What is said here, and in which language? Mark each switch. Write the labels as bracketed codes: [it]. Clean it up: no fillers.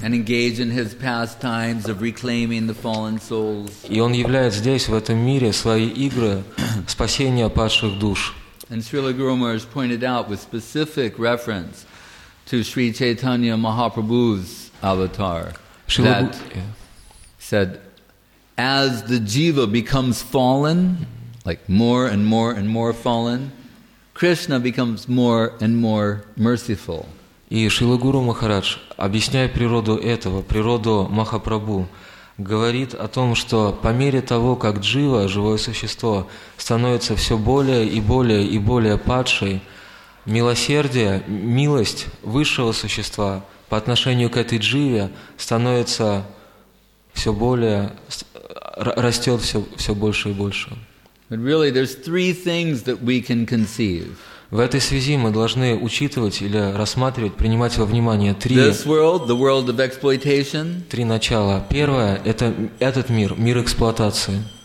[en] And engage in His pastimes of reclaiming the fallen souls. [ru] И он являет здесь в этом мире свои игры спасения падших душ. [en] And Srila Guru Maharaj pointed out with specific reference to Sri Chaitanya Mahaprabhu's avatar, that said, as the jiva becomes fallen, like more and more and more fallen, Krishna becomes more and more merciful. [ru] И Шрила Гуру Махарадж, объясняя природу этого, природу Махапрабху, говорит о том, что по мере того, как джива, живое существо, становится все более и более и более падшей, милосердие, милость высшего существа по отношению к этой дживе становится все более, растет все больше и больше. [en] But really, there's three things that we can conceive. [ru] В этой связи мы должны учитывать или рассматривать, принимать во внимание три, [en] this world, the world of exploitation. [ru] Три начала. Первое – это этот мир, мир эксплуатации.